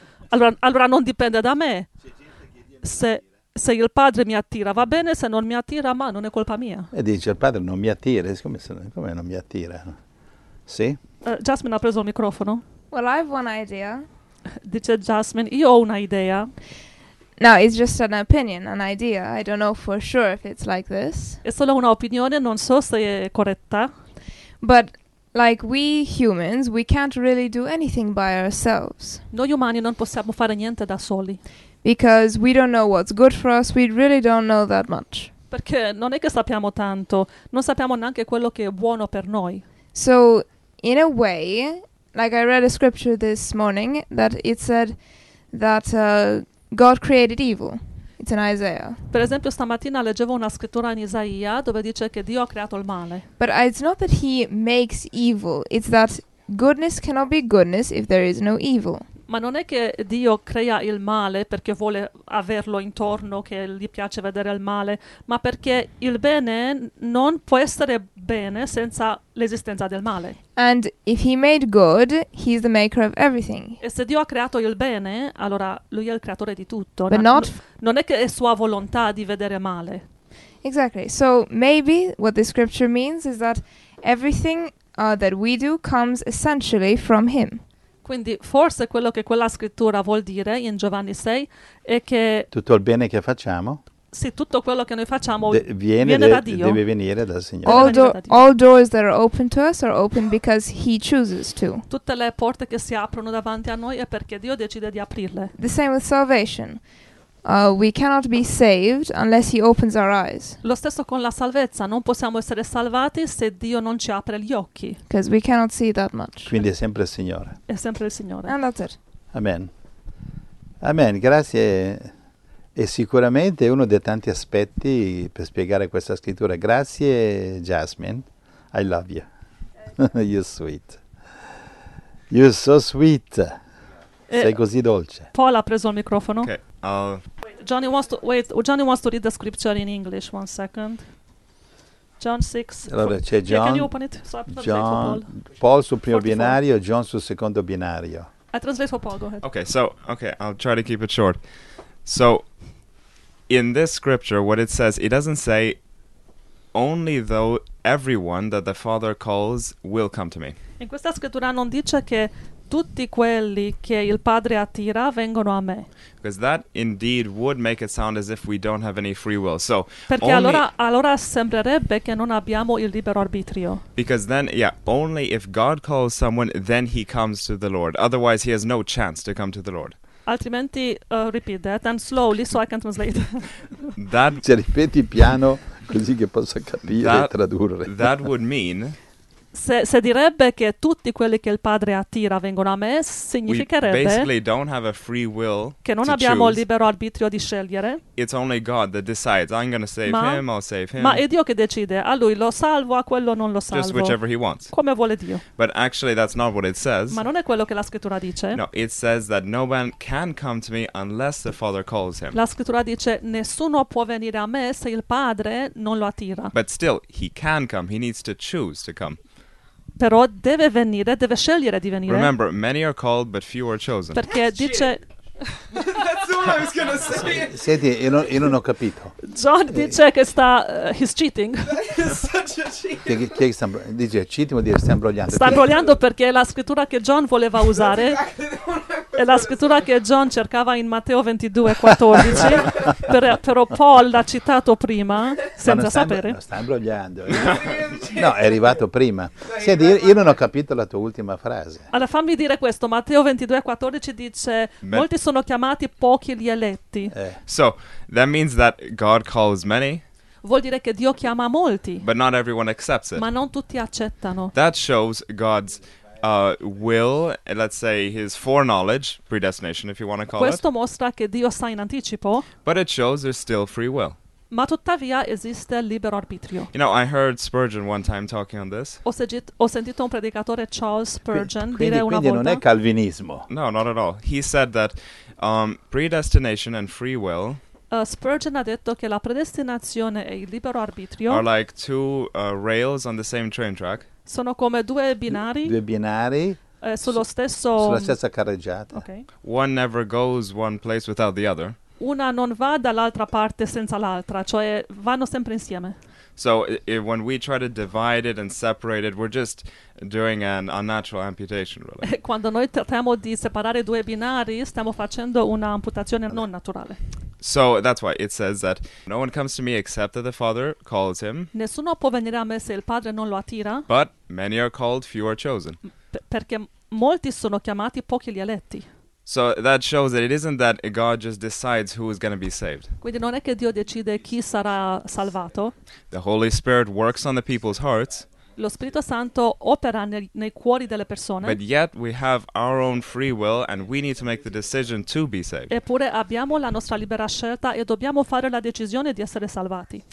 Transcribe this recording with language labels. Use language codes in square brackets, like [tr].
[it] Allora non dipende da me. Se il padre mi attira va bene, se non mi attira, ma non è colpa mia. E dice il padre non mi attira, come non mi attira? Sì? Jasmine ha preso il microfono. [en] Well, I have one idea. No, [it] Dice Jasmine, io ho un'idea. È [en] it's just an opinion, an idea. I don't know for sure if it's like this. [it] solo un'opinione, non so se è corretta. [en] But like we humans, we can't really do anything by ourselves. [it] Noi umani non possiamo fare niente da soli. [en] Because we don't know what's good for us, we really don't know that much. [it] Perché non è che sappiamo tanto, non sappiamo neanche quello che è buono per noi. [en] So, in a way, like I read a scripture this morning that it said that God created evil. It's in Isaiah. [it] Per esempio, stamattina leggevo una scrittura in Isaia dove dice che Dio ha creato il male. [en] But it's not that he makes evil, it's that goodness cannot be goodness if there is no evil. [it] Ma non è che Dio crea il male perché vuole averlo intorno, che gli piace vedere il male, ma perché il bene non può essere bene senza l'esistenza del male. [en] And if he made good, he's the maker of everything. [it] E se Dio ha creato il bene, allora lui è il creatore di tutto. [en] But Na not. [it] non è che è sua volontà di vedere male. [en] Exactly. So maybe what the scripture means is that everything that we do comes essentially from him. [it] Quindi forse quello che quella scrittura vuol dire in Giovanni 6 è che Tutto il bene che facciamo se tutto quello che noi facciamo de viene, viene da de deve Dio, venire dal [en] all, [it] Signore. [en] do all doors that are open to us are open because he chooses to. [it] Tutte le porte che si aprono davanti a noi è perché Dio decide di aprirle. [en] The same with salvation. We cannot be saved unless he opens our eyes. [it] Lo stesso con la salvezza, non possiamo essere salvati se Dio non ci apre gli occhi. [en] Because we cannot see that much. [it] Quindi è sempre il Signore. È sempre il Signore. [en] And that's it. [it] Amen. Amen. Grazie. E E sicuramente è uno dei tanti aspetti per spiegare questa scrittura. Grazie, [en] Jasmine. I love you. You're sweet. You're so sweet. [it] Sei così dolce. Paul ha preso il microfono. [en] Okay. Johnny wants to read the scripture in English. One second. John 6. [it] Allora c'è John. [en] Yeah, can you open it? [it] So John, Paul sul primo 44. Binario, John sul secondo binario. [en] I translate for Paul, go ahead. Okay, I'll try to keep it short. So, in this scripture, what it says, it doesn't say only though everyone that the Father calls will come to me. [it] In questa scrittura non dice che tutti quelli che il Padre attira vengono a me. [en] Because that indeed would make it sound as if we don't have any free will. So [it] perché allora sembrerebbe che non abbiamo il libero arbitrio. [en] Because then, yeah, only if God calls someone, then he comes to the Lord. Otherwise, he has no chance to come to the Lord. [it] Altrimenti, [en] repeat that and slowly so I can translate. That, [it] cioè, ripeti piano così che possa capire [en] that, [it] e tradurre. [en] That would mean... [it] Se direbbe che tutti quelli che il Padre attira vengono a me, significherebbe [en] we basically don't have a free will [it] che non abbiamo il libero arbitrio di scegliere. [en] It's only God that decides. I'm gonna save him, I'll save him. [it] Ma è Dio che decide. A lui lo salvo, a quello non lo salvo. [en] Just whichever he wants. [it] Come vuole Dio. [en] But actually that's not what it says. [it] Ma non è quello che la scrittura dice. [en] No, it says that no one can come to me unless the Father calls him. [it] La scrittura dice nessuno può venire a me se il Padre non lo attira. [en] But still, he can come. He needs to choose to come. [it] Però deve venire, deve scegliere di venire. [en] Remember, many are called, but few are chosen. [it] Perché [en] that's [it] dice... [en] That's all I was going to say. [it] Senti, io non ho capito. John dice che sta... [en] he's cheating. That is such a cheat. [it] Dice cheating, vuol dire sta imbrogliando. Sta imbrogliando perché è la scrittura che John voleva usare. È la scrittura che John cercava in Matteo 22:14. però Paul l'ha citato prima, senza sta sapere. Sta imbrogliando. No, è arrivato prima. Senti, io non ho capito la tua ultima frase. Allora, fammi dire questo. Matteo 22:14 dice... Molti sono chiamati, pochi gli eletti. [en] So, that means that God calls many. [it] Vuol dire che Dio chiama molti. [en] But not everyone accepts it. [it] Ma non tutti accettano. [en] That shows God's will, let's say his foreknowledge, predestination if you want to call [it] questo [en] it. [it] Questo mostra che Dio sa in anticipo. [en] But it shows there's still free will. [it] Ma tuttavia esiste il libero arbitrio. [en] You know, I heard Spurgeon one time talking on this. [it] Ho sentito un predicatore Charles Spurgeon quindi, dire una quindi volta. Quindi non è calvinismo. [en] No, not at all. He said that predestination and free will. [it] Spurgeon ha detto che la predestinazione e il libero arbitrio [en] are like two rails on the same train track. [it] Sono come due binari. Due binari. Sullo stesso. Sulla stessa carreggiata. [en] Okay. One never goes one place without the other. [it] Una non va dall'altra parte senza l'altra, cioè vanno sempre insieme. [en] So when we try to divide it and separate it, we're just doing an unnatural amputation, really. [it] Quando noi trattiamo di separare due binari, stiamo facendo una amputazione non naturale. [en] So that's why it says that no one comes to me except that the Father calls him. [it] Nessuno può venire a me se il Padre non lo attira. [en] But many are called, few are chosen. [it] Perché molti sono chiamati, pochi gli eletti. [en] So that shows that it isn't that God just decides who is going to be saved. [it] Quindi non è che Dio decide chi sarà salvato. [en] The Holy Spirit works on the people's hearts. [it] Lo Spirito Santo opera nei cuori delle persone. [en] But yet we have our own free will and we need to make the decision to be saved. [it] Eppure abbiamo la nostra libera scelta e dobbiamo fare la decisione di essere salvati.